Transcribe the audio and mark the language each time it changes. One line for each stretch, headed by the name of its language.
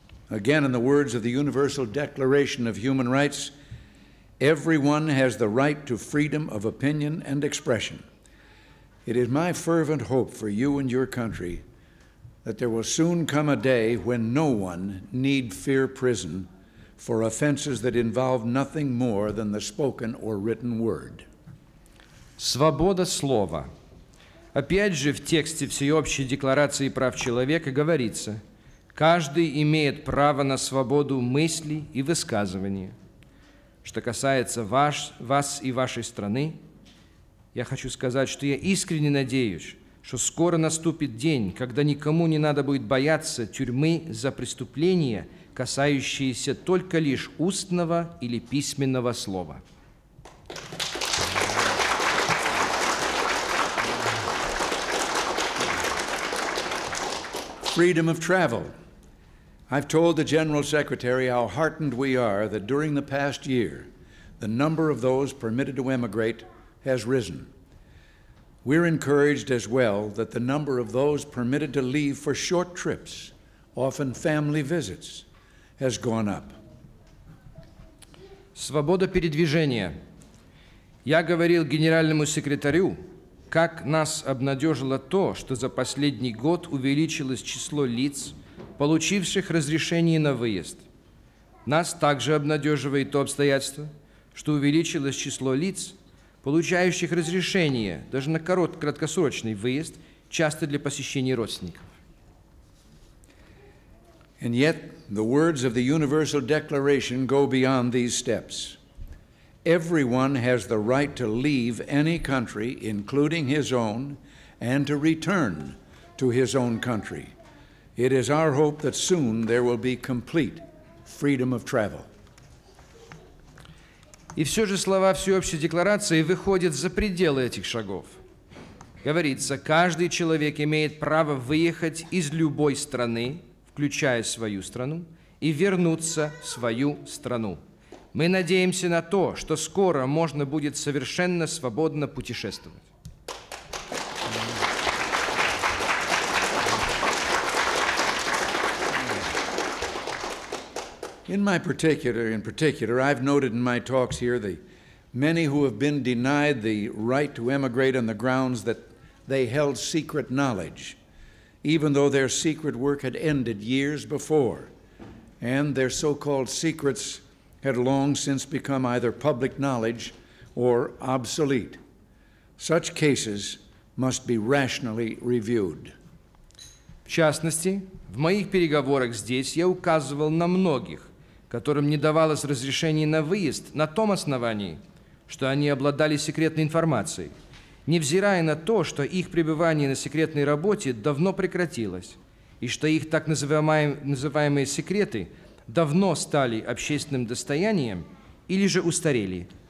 English: Again, in the words of the Universal Declaration of Human Rights, everyone has the right to freedom of opinion and expression. It is my fervent hope for you and your country that there will soon come a day when no one need fear prison for offenses that involve nothing more than the spoken or written word.
Russian: Свобода слова. Опять же, в тексте Всеобщей декларации прав человека говорится: каждый имеет право на свободу мысли и высказывания. Что касается вас и вашей страны, я хочу сказать, что я искренне надеюсь, что скоро наступит день, когда никому не надо будет бояться тюрьмы за преступления, касающиеся только лишь устного или письменного слова.
English: Freedom of travel. I've told the General Secretary how heartened we are that during the past year, the number of those permitted to emigrate has risen. We're encouraged as well that the number of those permitted to leave for short trips, often family visits, has gone up.
Russian: Свобода передвижения. Я говорил генеральному секретарю, как нас обнадежило то, что за последний год увеличилось число лиц, получивших разрешение на выезд. Нас также обнадеживает то обстоятельство, что увеличилось число лиц, получающих разрешение даже на краткосрочный выезд, часто для посещения родственников.
English: And yet, the words of the Universal Declaration go beyond these steps. Everyone has the right to leave any country, including his own, and to return to his own country. It is our hope that soon there will be complete freedom of travel.
Russian: И все же слова Всеобщей декларации выходят за пределы этих шагов. Говорится, каждый человек имеет право выехать из любой страны, включая свою страну, и вернуться в свою страну. Мы надеемся на то, что скоро можно будет совершенно свободно путешествовать.
English: In particular, I've noted in my talks here the many who have been denied the right to emigrate on the grounds that they held secret knowledge, even though their secret work had ended years before, and their so-called secrets had long since become either public knowledge or obsolete. Such cases must be rationally reviewed.
Russian: В частности, в моих переговорах здесь я указывал на многих, которым не давалось разрешение на выезд на том основании, что они обладали секретной информацией, невзирая на то, что их пребывание на секретной работе давно прекратилось и что их так называемые секреты давно стали общественным достоянием или же устарели.